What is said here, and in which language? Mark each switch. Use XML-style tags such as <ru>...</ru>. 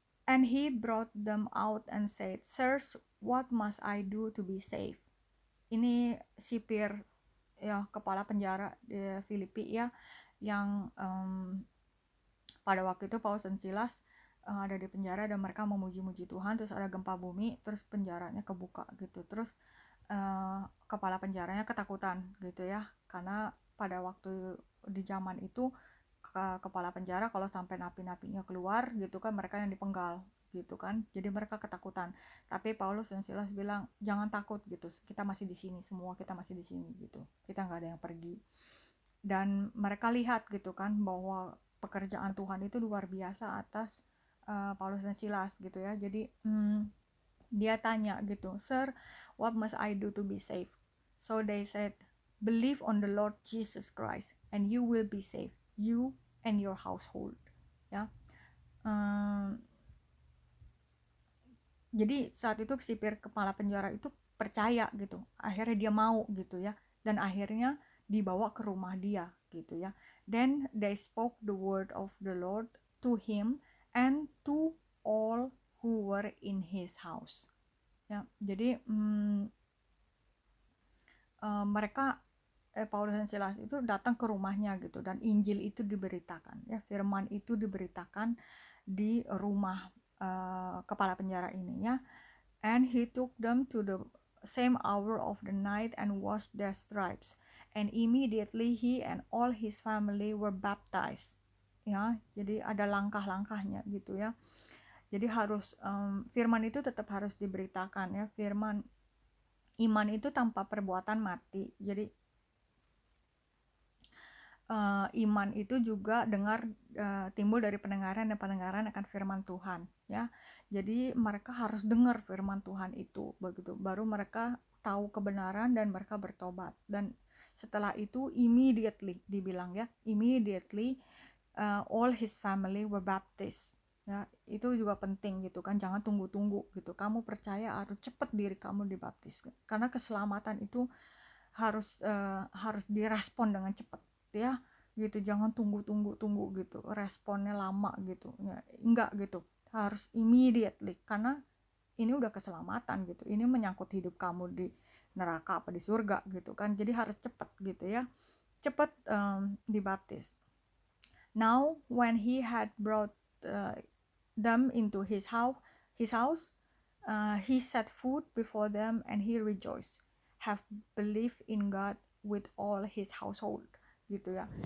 <en>And he brought them out and said, "Sirs, what must I do to be saved?"</en> <id>Ini sipir ya, kepala penjara di Filipi ya, yang pada waktu itu Paulus dan Silas ada di penjara dan mereka memuji-muji Tuhan, terus ada gempa bumi, terus penjaranya kebuka gitu. Terus kepala penjaranya ketakutan gitu ya, karena pada waktu di zaman itu kepala penjara kalau sampai napi-napinya keluar gitu kan, mereka yang dipenggal gitu kan. Jadi mereka ketakutan. Tapi Paulus dan Silas bilang, jangan takut gitu. Kita masih di sini, semua kita masih di sini gitu. Kita nggak ada yang pergi. Dan mereka lihat gitu kan bahwa pekerjaan Tuhan itu luar biasa atas Paulus dan Silas gitu ya. Jadi dia tanya gitu,</id> <en>"Sir, what must I do to be saved?" So they said, "Believe on the Lord Jesus Christ and you will be saved, you and your household."</en> <id>Ya. Jadi saat itu sipir kepala penjara itu percaya gitu. Akhirnya dia mau gitu ya. Dan akhirnya dibawa ke rumah dia gitu ya.</id> <en>Then they spoke the word of the Lord to him and to all who were in his house.</en> <id>Ya, jadi mereka Paulus dan Silas itu datang ke rumahnya gitu dan Injil itu diberitakan ya, firman itu diberitakan di rumah kepala penjara ini ya.</id> <en>And he took them to the same hour of the night and washed their stripes. And immediately he and all his family were baptized.</en> <id>Ya, jadi ada langkah-langkahnya gitu ya. Jadi harus firman itu tetap harus diberitakan ya. Firman iman itu tanpa perbuatan mati. Jadi iman itu juga dengar timbul dari pendengaran dan pendengaran akan firman Tuhan ya. Jadi mereka harus dengar firman Tuhan itu begitu. Baru mereka tahu kebenaran dan mereka bertobat. Dan setelah itu immediately dibilang ya,</id> <en>immediately all his family were baptized.</en> <id>Ya, itu juga penting gitu kan, jangan tunggu-tunggu gitu. Kamu percaya harus cepat diri kamu dibaptis. Karena keselamatan itu harus harus direspon dengan cepat ya. Gitu, jangan tunggu-tunggu gitu. Responnya lama gitu. Ya, enggak gitu. Harus immediately karena ini udah keselamatan gitu. Ini menyangkut hidup kamu di neraka apa di surga gitu kan. Jadi harus cepat gitu ya. Cepat dibaptis.</id> <en>Now when he had brought them into his house, he set food before them and he rejoiced, have belief in God with all his household,</en> <id>gitu ya.</id>